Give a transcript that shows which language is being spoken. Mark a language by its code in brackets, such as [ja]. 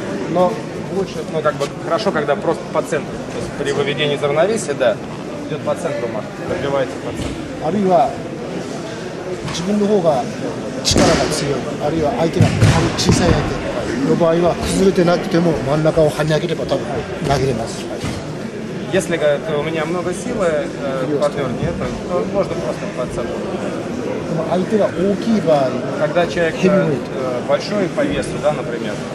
[ru] Но лучше, ну как бы хорошо, когда просто по центру. То есть при выведении из равновесия, да, идет по центру мах. Пробивается по центру. Арива. [ja] 自分の方が 力が強い あるいは相手が小さい相手の場合は崩れてなくても真ん中を跳ね上げれば多分投げれます [ru] Если у меня много силы, партнер нет, то можно просто по центру. [ja] 相手が大きい場合 [ru] Когда человек большой по весу, да, например